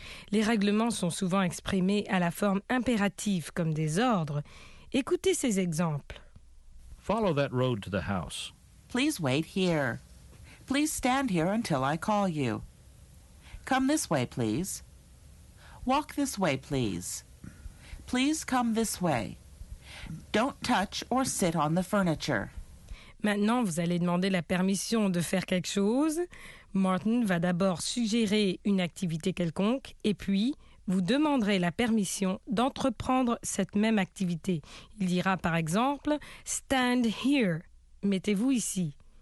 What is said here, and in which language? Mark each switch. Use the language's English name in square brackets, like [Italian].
[French] Les règlements sont souvent exprimés à la forme impérative comme des ordres. Écoutez ces exemples. [English] Follow that road to the house. Please wait here. Please stand here until I call you. Come this way, please. Walk this way, please. Please come this way. Don't touch or sit on the furniture. [French] Maintenant, vous allez demander la permission de faire quelque chose. Martin va d'abord suggérer une activité quelconque et puis vous demanderez la permission d'entreprendre cette même activité. Il dira par exemple « [English] Stand here [French] », mettez-vous ici.